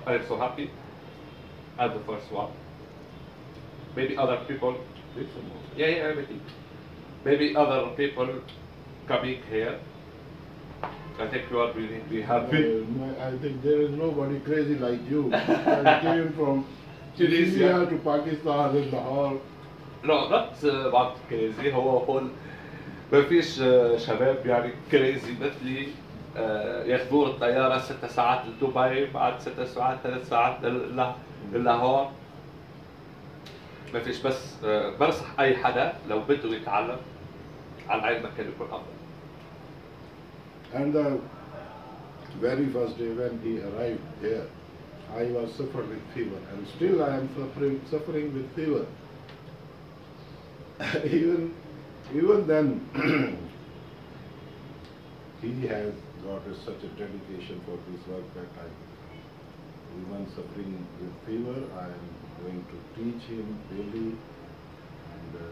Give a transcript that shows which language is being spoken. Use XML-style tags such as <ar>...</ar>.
<en>I'm so happy. I'm the first one. Maybe other people. Yeah, everything. Maybe other people coming here. I think you are really, really happy. I think there is nobody crazy like you. I came from Tunisia to Pakistan and Lahore. No, not about crazy.</en> <ar>هو أقول ما فيش شباب يعني crazy مثلي يخبو الطيارة 6 ساعات لدبي بعد 6 ساعات 3 ساعات للاهور. ما فيش بس برصح أي حدا لو بده يتعلم على أي مكان يكون أفضل.</ar> <en>And the very first day when he arrived here, I was suffering with fever, and still I am suffering with fever. even then, he has got such a dedication for this work that I, even suffering with fever, I am going to teach him daily, and</en>